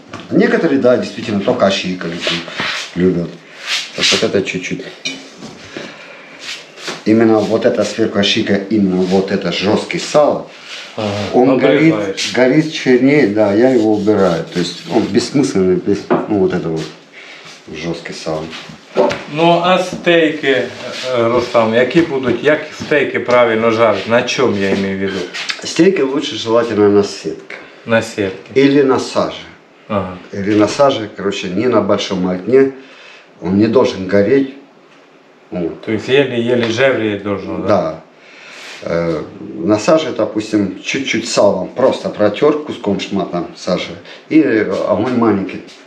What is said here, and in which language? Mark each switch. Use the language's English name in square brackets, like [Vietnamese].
[Russian] Некоторые, да, действительно, только ошейка любят. Так вот это чуть-чуть. Именно вот эта сверху ошейка, именно вот это жесткий сало, ага, он горит чернее, да, я его убираю. То есть он бессмысленный, ну, вот это вот жесткий сало. [Ukrainian] Ну а стейки, Рустам, які будуть, як стейки правильно жарити, на чому я маю в виду? [Russian] Стейки лучше желательно на сетке. На сетке. Или на саже. Ага. Или на саже, короче, не на большом огне, он не должен гореть. Вот. То есть еле-еле жарить должен, да? Да. На саже, допустим, чуть-чуть салом просто протер куском шмата сажи, и огонь маленький.